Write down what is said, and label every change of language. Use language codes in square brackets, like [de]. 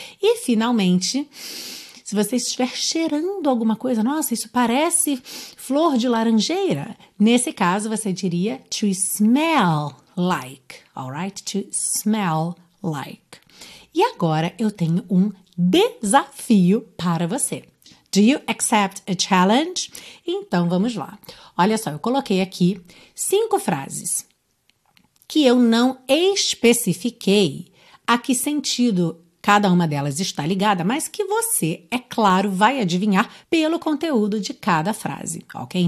[pt] E, finalmente, se você estiver cheirando alguma coisa, nossa, isso parece flor de laranjeira, nesse caso, você diria to smell like, alright? To smell like. E agora eu tenho um desafio para você. [en] Do you accept a challenge? [pt] Então, vamos lá. Olha só, eu coloquei aqui 5 frases que eu não especifiquei a que sentido cada uma delas está ligada, mas que você, é claro, vai adivinhar pelo conteúdo de cada frase, ok?